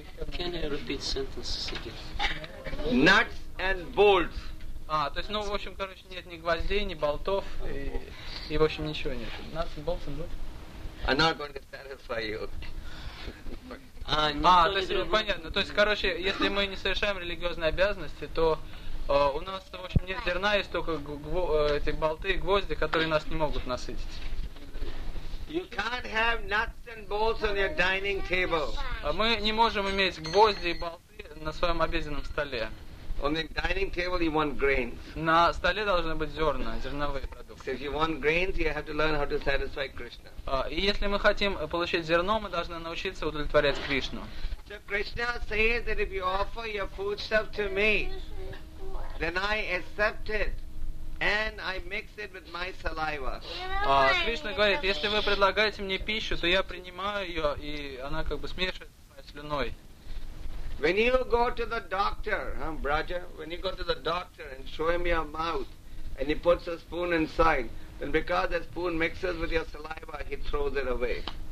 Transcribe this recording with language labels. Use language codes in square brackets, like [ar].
[en] Can I repeat sentences again? Nuts and bolts. [ru] То есть, в общем, короче, нет ни гвоздей, ни болтов, и в общем, ничего нет. [en] Nuts and bolts and bolts. I'm not going to satisfy you. [ru] то есть, понятно. То есть, короче, если мы не совершаем религиозные обязанности, то у нас, в общем, нет зерна, есть только эти болты и гвозди, которые нас не могут насытить. [en] You can't have nuts and bolts on your dining table. [ru] Мы не можем иметь гвозди и болты на своем обеденном столе. [en] On the dining table you want grains. [ru] На столе должны быть зерна, зерновые продукты. [en] So if you want grains, you have to learn how to satisfy Krishna. [ru] И если мы хотим получить зерно, мы должны научиться удовлетворять Кришну. [en] So Krishna says that if you offer your foodstuff to me, then I accept it. And I mix it with my saliva. [ru] Кришна говорит, если вы предлагаете мне пищу, то я принимаю ее, и она как бы смешивается с моей слюной. [en] When you go to the doctor, Braja, when you go to the doctor and show him your mouth, and he puts a spoon inside, then because the spoon mixes with your saliva, he throws it away.